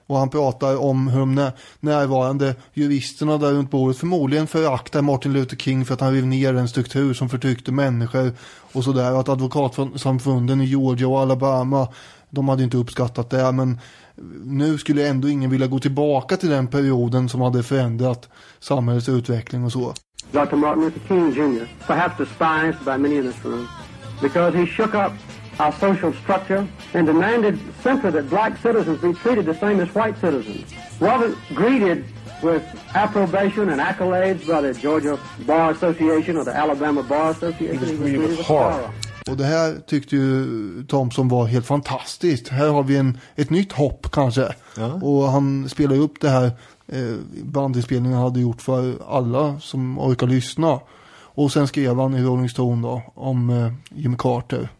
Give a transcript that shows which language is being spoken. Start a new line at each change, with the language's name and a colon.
Swedish: Och han pratar om hur de närvarande juristerna där runt bordet förmodligen föraktar Martin Luther King för att han rev ner en struktur som förtryckte människor och sådär. Att advokatsamfunden i Georgia och Alabama, de hade inte uppskattat det, men nu skulle ändå ingen vilja gå tillbaka till den perioden som hade förändrat samhällets utveckling och så.
English: Dr. Martin Luther King Jr., perhaps despised by many in this room, because he shook up our social structure and demanded simply that black citizens be treated the same as white citizens. Wasn't greeted with approbation and accolades by the Georgia Bar Association or the Alabama Bar Association. He was greeted with horror.
Swedish: Och det här tyckte ju Thompson var helt fantastiskt. Här har vi ett nytt hopp kanske. Ja. Och han spelade upp det här bandinspelningen hade gjort för alla som orkar lyssna. Och sen skrev han i Rolling Stone då om Jimmy Carter.